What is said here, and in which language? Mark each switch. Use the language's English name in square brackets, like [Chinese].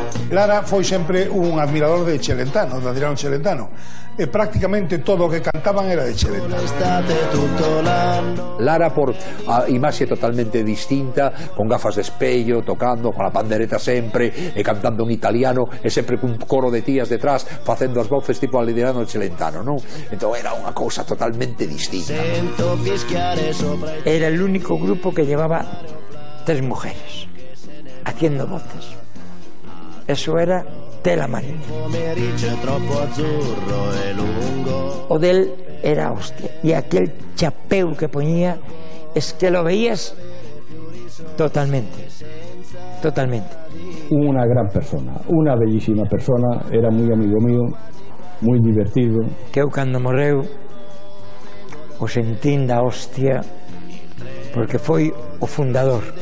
[Galician] Lara foi sempre un admirador de Chelentano, de Adriano Chelentano. E prácticamente todo o que cantaban era de Chelentano. Lara, por a imaxe totalmente distinta, con gafas de espello, tocando, con a pandereta sempre, e cantando en italiano, e sempre cun coro de tías detrás, facendo as voces tipo Adriano Chelentano, non? Entón era unha cousa totalmente distinta. [Spanish] Era el único grupo que llevaba tres mujeres haciendo voces. Eso era tela marina. [Galician] O del era hostia. E aquel chapeu que poñía, [Spanish] es que lo veías totalmente. Totalmente. Una gran persona, una bellísima persona. Era muy amigo mío, muy divertido. [Galician] Que eu cando morreu, o sentín da hostia, porque foi o fundador.